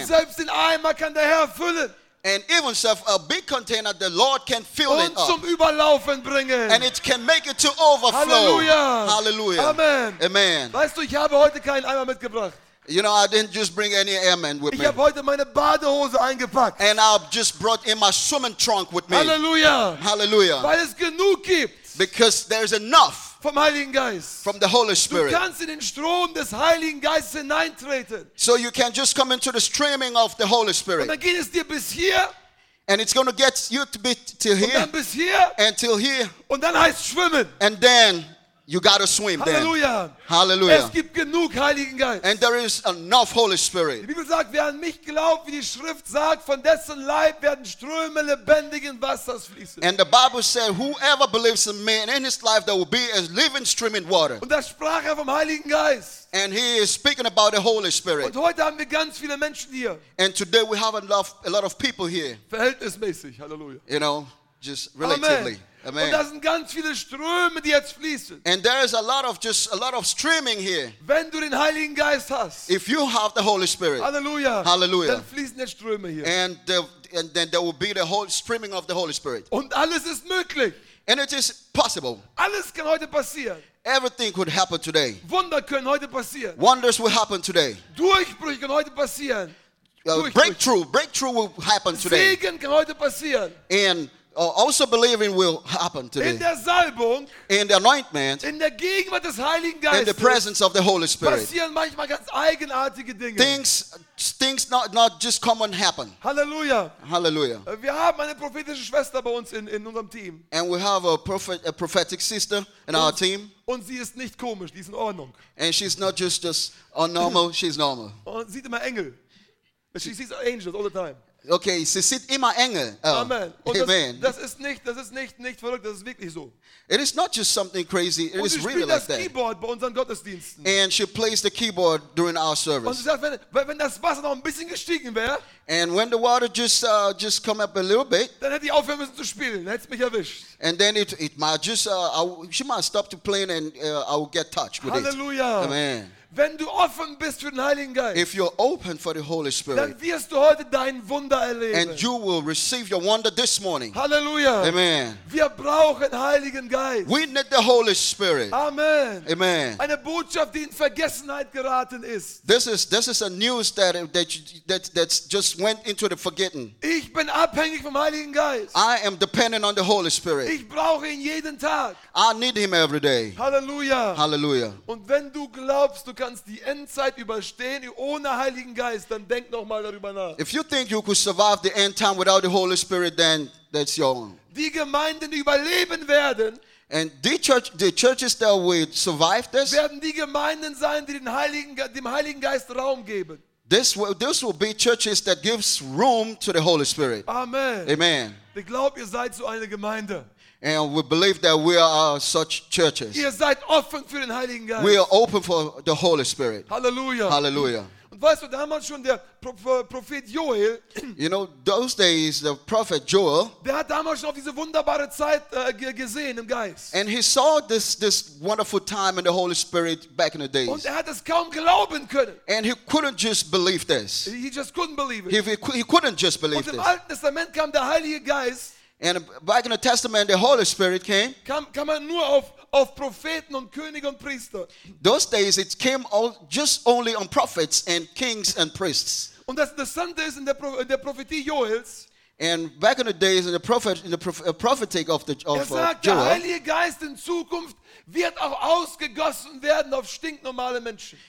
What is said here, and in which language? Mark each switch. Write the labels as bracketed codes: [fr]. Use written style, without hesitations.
[de] Und selbst den Eimer kann der Herr füllen. [en] And even self, a big container, the Lord can fill [de] und [en] it up. [de] Zum Überlaufen bringen. [en] And it can make it to overflow. Halleluja. Hallelujah. Amen. Amen. [de] Weißt du, ich habe heute keinen Eimer mitgebracht. [en] You know, I didn't just bring any airmen with [de] ich [en] me. [de] Ich habe heute meine Badehose eingepackt. [en] And I just brought in my swimming trunk with me. Halleluja. Hallelujah. [de] Weil es genug gibt. [en] Because there is enough. [de] Vom Heiligen Geist. [en] From the Holy Spirit. [de] Du kannst in den Strom des Heiligen Geistes hineintreten. [en] So you can just come into the streaming of the Holy Spirit. [de] Und dann geht es dir bis hier. [en] And it's going to get you to be till here. [de] Und dann bis hier. [en] And till here. [de] Und dann heißt schwimmen. [en] And then you got to swim. Halleluja. Then. Hallelujah. [de] Es gibt genug Heiligen Geist. [en] And there is enough Holy Spirit. [de] Die Bibel sagt, wer an mich glaubt, wie die Schrift sagt, von dessen Leib werden Ströme lebendigen Wassers fließen. [en] And the Bible said, whoever believes in me and in his life, there will be a living streaming water. [de] Und da sprach er vom Heiligen Geist. [en] And he is speaking about the Holy Spirit. [de] Und heute haben wir ganz viele Menschen hier. [en] And today we have a lot of people here. [de] Verhältnismäßig. Halleluja. [en] You know, just relatively. Amen. Amen. [de] Und da sind ganz viele Ströme, die jetzt fließen. [en] And there is a lot of streaming here. [de] Wenn du den Heiligen Geist hast. [en] If you have the Holy Spirit. Halleluja. Hallelujah. [de] Dann fließen jetzt Ströme hier. [en] And then there will be the whole streaming of the Holy Spirit. [de] Und alles ist möglich. [en] And it is possible. [de] Alles kann heute passieren. [en] Everything could happen today. [de] Wunder können heute passieren. [en] Wonders will happen today. [de] Durchbrüche können heute passieren. [en] Breakthrough will happen today. [de] Segen kann heute passieren. [en] And also believing will happen today. [de] In der Salbung, [en] in the anointment, [de] in der Gegenwart des Heiligen Geistes, [en] in the presence of the Holy Spirit, [de] passieren manchmal ganz eigenartige Dinge. [en] Things not just come and happen. Hallelujah. Hallelujah. [de] Wir haben eine prophetische Schwester bei uns in unserem Team. [en] And we have a prophetic sister in our team. [de] Und sie ist nicht komisch, sie ist in Ordnung. [en] And she's not just normal, she's normal. [de] Und sieht immer Engel. [en] She sees angels all the time. [de] Okay, sie sieht immer Engel. Amen. Amen. Das ist nicht verrückt, das ist wirklich so. [en] It is not just something crazy, it [de] und [en] is really like that. [de] Und sie spielt das Keyboard bei unseren Gottesdiensten. [en] And she plays the keyboard during our service. [de] Und sie sagt, wenn das Wasser noch ein bisschen gestiegen wäre, [en] and when the water just come up a little bit, [de] dann hätte ich aufhören müssen zu spielen, dann hätte es mich erwischt. [en] And then it might just, she might stop to play and I will get touched with Halleluja. It. Amen. [de] Wenn du offen bist für den Heiligen Geist, [en] if you're open for the Holy Spirit, [de] dann wirst du heute dein Wunder erleben. [en] And you will receive your wonder this morning. Hallelujah. Amen. [de] Wir brauchen Heiligen Geist. [en] We need the Holy Spirit. Amen. Amen. [de] Eine Botschaft, die in Vergessenheit geraten ist. [en] This is a news that's just went into the forgotten. [de] Ich bin abhängig vom Heiligen Geist. [en] I am dependent on the Holy Spirit. [de] Ich brauche ihn jeden Tag. [en] I need him every day. Hallelujah. Hallelujah. [de] Und wenn du glaubst, du kannst die Endzeit überstehen ohne Heiligen Geist, dann denk noch mal darüber nach. [en] If you think you could survive the end time without the Holy Spirit, then that's your own. [de] Die Gemeinden, die überleben werden, [en] and the churches that will survive this, [de] werden die Gemeinden sein, die dem Heiligen Geist Raum geben. [en] This will be churches that gives room to the Holy Spirit. Amen. Amen. [de] Ich glaube, ihr seid so eine Gemeinde. [en] And we believe that we are such churches. [de] Ihr seid offen für den Heiligen Geist. [en] We are open for the Holy Spirit. Hallelujah. Hallelujah. [de] Und weißt du, damals schon der Prophet Joel, [en] you know, those days the prophet Joel, [de] der hat damals schon auf diese wunderbare Zeit gesehen im Geist. [en] And he saw this wonderful time in the Holy Spirit back in the days. Und er hat es kaum glauben können. And he couldn't just believe this. He just couldn't believe it. He couldn't just believe this. [de] Und im Alten Testament kam der Heilige Geist. [en] And back in the Testament, the Holy Spirit came. [de] Kam nur auf Propheten und Könige und Priester. [en] Those days, it came just only on prophets and kings and priests. [de] Und das Interessante ist, in der Prophetie Joels. [en] And back in the days, in the prophetic of Joel. [de] Er sagt, der Heilige Geist in Zukunft wird auch ausgegossen werden auf stinknormale Menschen.